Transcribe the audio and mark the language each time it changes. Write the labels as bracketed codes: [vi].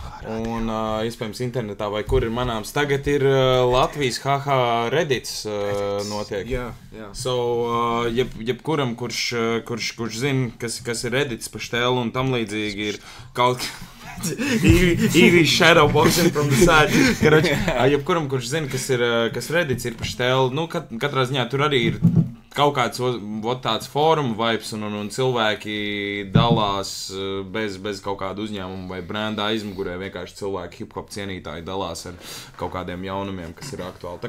[lv] Un, iespējams, internetā vai kur ir manāms. Tagad ir Latvijas HH Reddits notiek. Jā, So, jebkuram, kurš zina, kas ir Reddits pa štēlu un tam līdzīgi ir kaut kā... [en] Ivi shadow boxing from the side. [lv] Karoči, jebkuram, kurš zina, kas Reddits ir pa štēlu, nu, katrā ziņā tur arī ir kaut kāds vot tāds forum vibes un cilvēki dalās bez kaut kāda uzņēmuma vai brenda aizmugurē, vienkārši cilvēki hip-hop cienītāji dalās ar kaut kādiem jaunumiem, kas ir aktuāli.